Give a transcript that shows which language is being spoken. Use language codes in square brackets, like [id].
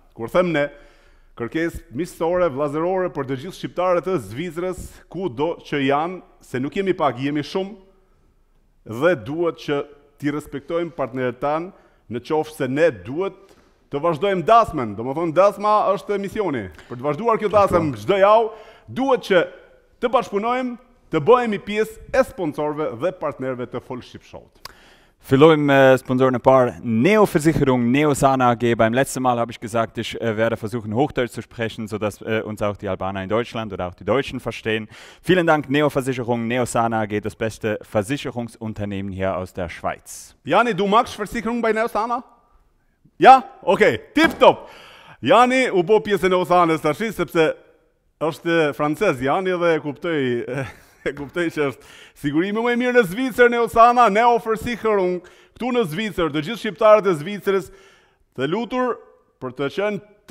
[sq] Kur them ne, kërkesë miqësore, vllazërore për të gjithë shqiptarët e Zvicrës, kudo që janë, se nuk jemi pak, jemi shumë, dhe duhet që ti respektojmë partnerët tanë, në qoftë se ne duhet të vazhdojmë dasmen, do më thonë dasma është misioni. Për të vazhduar kjo dasmë çdo javë, duhet që të bashkunojmë, të bëhemi pjesë e sponsorëve dhe partnerëve të FolShqip Show. Fillojmë me sponsorin e parë, Neo Versicherung, Neo Sana AG. [de] Beim letzten Mal habe ich gesagt, ich werde versuchen, Hochdeutsch zu sprechen, sodass uns auch die Albaner in Deutschland oder auch die Deutschen verstehen. Vielen Dank, Neo Versicherung, Neo Sana AG, das beste Versicherungsunternehmen hier aus der Schweiz. Jani, du magst Versicherung bei Neo Sana? Ja? Okay, tipptopp. [sq] Jani, u bo pjesë Neo Sana, tashi, sepse është francez, Jani, dhe kuptoj... E kuptoj që është sigurimi më e mirë në Zvicër, Neo Sana, Neo Versicherung, këtu në Zvicër, të gjithë shqiptarët e Zvicërës, të lutur për të qenë